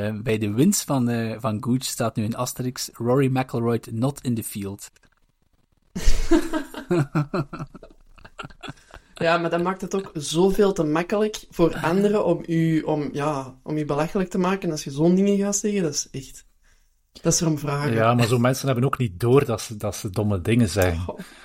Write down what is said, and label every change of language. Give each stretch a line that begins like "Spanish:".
Dutch: Bij de winst van Gooch staat nu een asterisk.
English: Rory McIlroy not in the field.
Dutch: Ja, maar dat maakt het ook zoveel te makkelijk voor anderen om je belachelijk te maken. Als je zo'n dingen gaat zeggen, dat is echt... Dat is erom vragen. Ja, maar zo'n mensen hebben ook niet door dat ze domme dingen zijn. Oh.